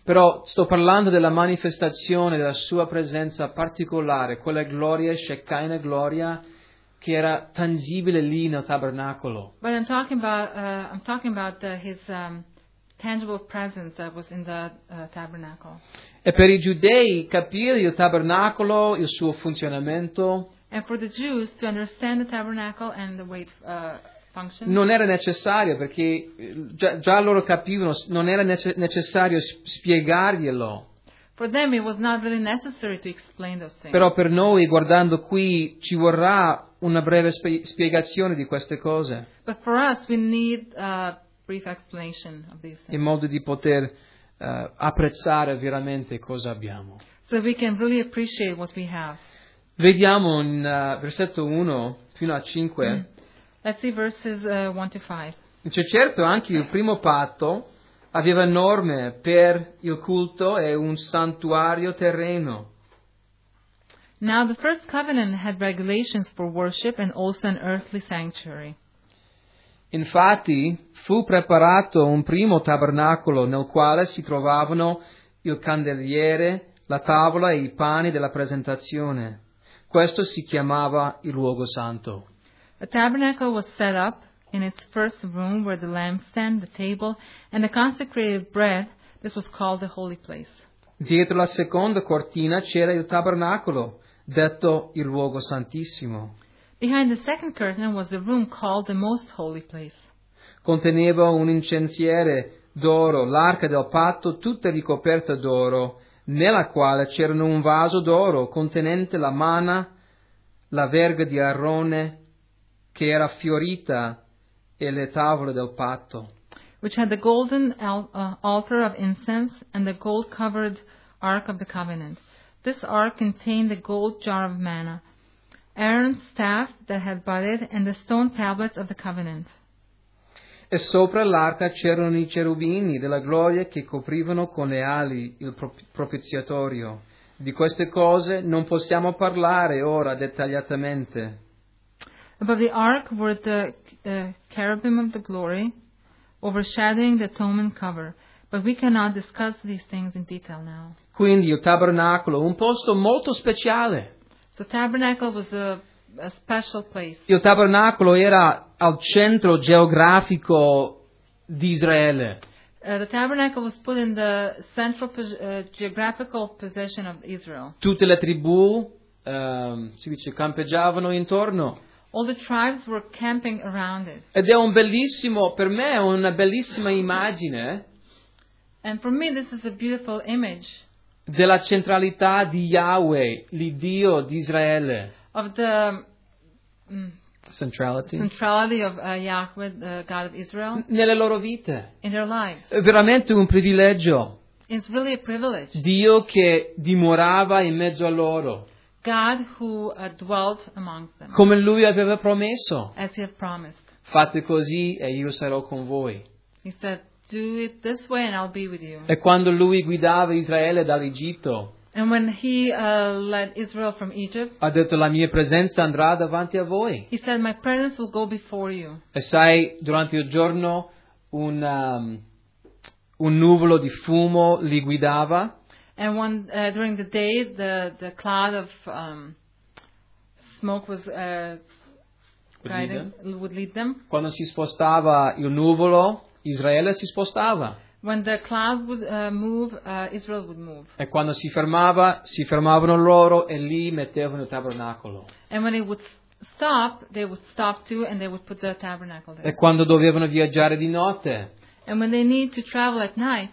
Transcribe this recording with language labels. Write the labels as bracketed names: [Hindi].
[Italian] Però sto parlando della manifestazione della sua presenza particolare, quella gloria, Shekinah gloria, che era tangibile lì nel tabernacolo. [English] But I'm talking about his tangible presence that was in the tabernacle. [Italian] E per i giudei capire il tabernacolo, il suo funzionamento. [English] And for the Jews to understand the tabernacle and the way it functions. [Italian] Non era necessario, perché già loro capivano, non era necessario spiegarglielo. [English] For them it was not really necessary to explain those things. [Italian] Però per noi, guardando qui, ci vorrà una breve spiegazione di queste cose. [English] But for us we need a brief explanation of these things. [Italian] In modo di poter apprezzare veramente cosa abbiamo. [English] So we can really appreciate what we have. [Italian] Vediamo in versetto 1 fino a 5. [English] Let's see verses 1 to 5. [Italian] Cioè, certo, anche il primo patto aveva norme per il culto e un santuario terreno. [English] Now the first covenant had regulations for worship and also an earthly sanctuary. [Italian] Infatti, fu preparato un primo tabernacolo nel quale si trovavano il candeliere, la tavola e i pani della presentazione. Questo si chiamava il luogo santo. [English] A tabernacle was set up in its first room where the lampstand, the table, and the consecrated bread, this was called the holy place. [Italian] Dietro la seconda cortina c'era il tabernacolo, detto il luogo santissimo. [English] Behind the second curtain was the room called the most holy place. [Italian] Conteneva un incensiere d'oro, l'arca del patto tutta ricoperta d'oro, nella quale c'erano un vaso d'oro contenente la manna, la verga di Arone, che era fiorita, e le tavole del patto. [English] Which had the golden altar of incense and the gold-covered ark of the covenant. This ark contained the gold jar of manna, Aaron's staff that had budded, and the stone tablets of the covenant. [Italian] E sopra l'arca c'erano i cherubini della gloria che coprivano con le ali il propiziatorio. Di queste cose non possiamo parlare ora dettagliatamente. [English] Above the ark were the cherubim of the glory, overshadowing the atonement cover. But we cannot discuss these things in detail now. [Italian] Quindi il tabernacolo, un posto molto speciale. [English] So tabernacle was a special place. [Italian] Il tabernacolo era al centro geografico di Israele. [English] The tabernacle was put in the central geographical position of Israel. [Italian] Tutte le tribù si dice campeggiavano intorno. [English] All the tribes were camping around it. [Italian] Ed è un bellissimo, per me è una bellissima immagine. [English] And for me this is a beautiful image. [Italian] Della centralità di Yahweh, l'Iddio di Israele. [English] Of the centrality of Yahweh, the God of Israel. [Italian] Nelle loro vite. [English] In their lives. [Italian] È veramente un privilegio. [English] It's really a privilege. [Italian] Dio che dimorava in mezzo a loro. [English] God who dwelt among them. [Italian] Come lui aveva promesso. [English] As he had promised. [Italian] Fate così e io sarò con voi. [English] He said, do it this way and I'll be with you. [Italian] E quando lui guidava Israele dall'Egitto. [English] And when he led Israel from Egypt. [Italian] Ha detto, la mia presenza andrà davanti a voi. [English] He said, my presence will go before you. [Italian] E sai, durante il giorno un nuvolo di fumo li guidava. [English] And one during the day the cloud of smoke was would lead them. [Italian] Quando si spostava il nuvolo, Israele si spostava. [English] When the cloud would move, Israel would move. [Italian] E quando si fermava, si fermavano loro e lì mettevano il tabernacolo. [English] And when it would stop, they would stop too and they would put the tabernacle there. [Italian] E quando dovevano viaggiare di notte, [English] and when they need to travel at night,